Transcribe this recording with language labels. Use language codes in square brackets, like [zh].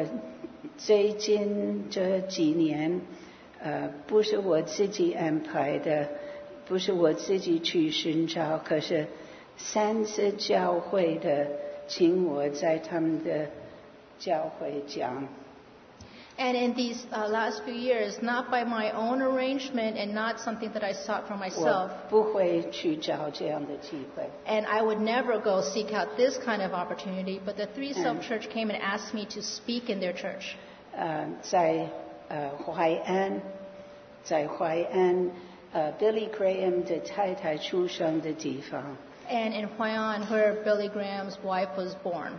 [zh] 我最近这几年, 不是我自己安排的, 不是我自己去寻找, 可是三次教会的请我在他们的教会讲。 [en] And in these last few years, not by my own arrangement and not something that I sought for myself. [zh] 我不会去找这样的机会。 [en] And I would never go seek out this kind of opportunity, but the Three Self Church came and asked me to speak in their church. [zh] 在淮安, Billy Graham的太太出生的地方。 [en] And in Huayan, where Billy Graham's wife was born.